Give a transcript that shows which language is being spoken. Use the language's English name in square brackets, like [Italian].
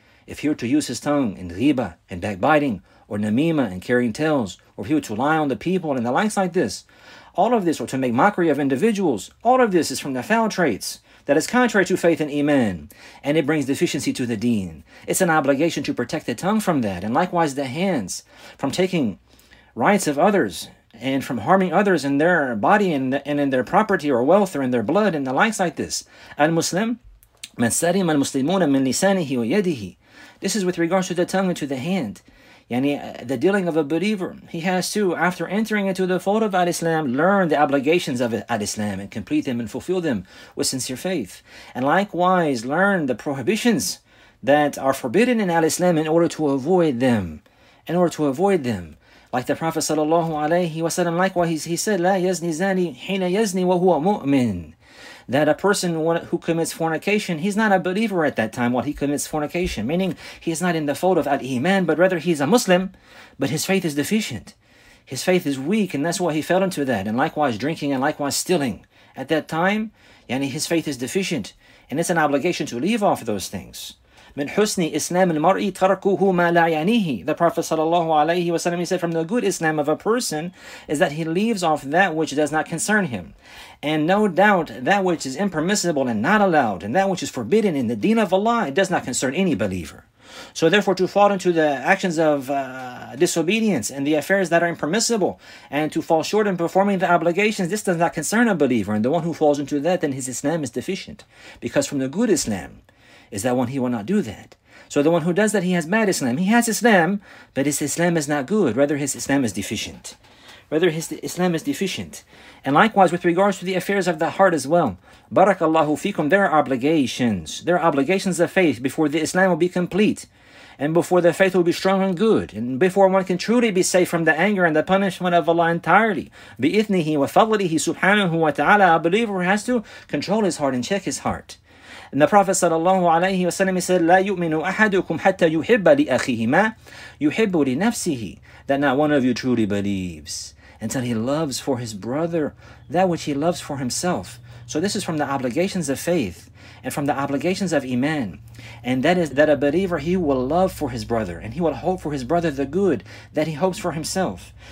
[English] If he were to use his tongue in ghiba and backbiting, or namima and carrying tales, or if he were to lie on the people and the likes like this, all of this, or to make mockery of individuals, all of this is from the foul traits that is contrary to faith and iman, and it brings deficiency to the deen. It's an obligation to protect the tongue from that, and likewise the hands from taking rights of others and from harming others in their body and in their property or wealth or in their blood and the likes like this. [Arabic] Al-Muslim, من سلم المسلمون من لسانه ويده. [English] This is with regards to the tongue and to the hand. Yani, the dealing of a believer, he has to, after entering into the fold of Al-Islam, learn the obligations of Al-Islam and complete them and fulfill them with sincere faith. And likewise, learn the prohibitions that are forbidden in Al-Islam in order to avoid them. In order to avoid them. Like the Prophet sallallahu alayhi wa sallam, likewise, he said, [Arabic] لَا يَزْنِي زَانِي حِينَ يَزْنِي وَهُوَ مُؤْمِنٌ. [English] That a person who commits fornication, he's not a believer at that time while he commits fornication. Meaning, he is not in the fold of Al-Iman, but rather he's a Muslim, but his faith is deficient. His faith is weak, and that's why he fell into that. And likewise, drinking and likewise, stealing. At that time, yani his faith is deficient. And it's an obligation to leave off those things. [Arabic] من حسن إسلام المرء تركه ما لا يعنيه. [English] The Prophet sallallahu alayhi wa sallam, he said, from the good Islam of a person is that he leaves off that which does not concern him. And no doubt, that which is impermissible and not allowed, and that which is forbidden in the deen of Allah, it does not concern any believer. So therefore, to fall into the actions of disobedience and the affairs that are impermissible, and to fall short in performing the obligations, this does not concern a believer. And the one who falls into that, then his Islam is deficient. Because from the good Islam is that one, he will not do that. So the one who does that, he has bad Islam. He has Islam, but his Islam is not good. Rather, his Islam is deficient. Rather, his Islam is deficient. And likewise, with regards to the affairs of the heart as well. Barakallahu fikum. There are obligations. There are obligations of faith before the Islam will be complete. And before the faith will be strong and good. And before one can truly be safe from the anger and the punishment of Allah entirely. Bi'ithnihi wa fadlihi subhanahu wa ta'ala. A believer has to control his heart and check his heart. And the Prophet [Arabic] sallallahu alayhi wa sallam said, لا يؤمن أحدكم حتى يحب لأخيه ما يحب لنفسه. [English] That not one of you truly believes until he loves for his brother that which he loves for himself. So this is from the obligations of faith and from the obligations of Iman. And that is that a believer, he will love for his brother and he will hope for his brother the good that he hopes for himself.